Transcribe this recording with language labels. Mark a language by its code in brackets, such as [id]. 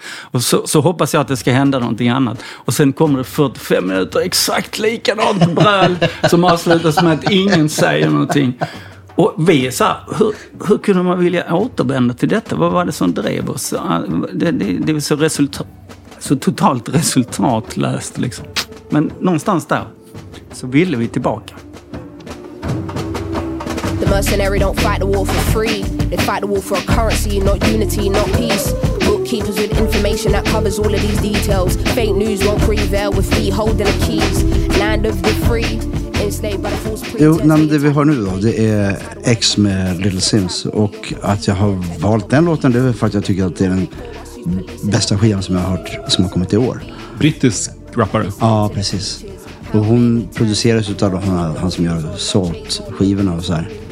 [sv] Och så hoppas jag att det ska hända någonting annat. Och sen kommer det 45 minuter exakt likadant bröl som avslutas med att ingen säger någonting. Och vi är så här, hur kunde man vilja återvända till detta? Vad var det som drev oss? Det är så, så totalt resultatlöst liksom. Men någonstans där så ville vi tillbaka. [en] The mercenary don't fight the war for free. They fight the war for a currency, not unity, not peace. Bookkeepers with information that covers all of these details. Fake news won't prevail with me holding the keys. Land of the free, enslaved by the false pretense. [sv] Jo, men det vi har nu då, det är X med Little Sims. Och att jag har valt den låten, det är för att jag tycker att det är den bästa skivan som jag har hört som har kommit i år. Brittisk rappare. Ja, precis. Och hon produceras utav han som gör Salt-skivorna och så här.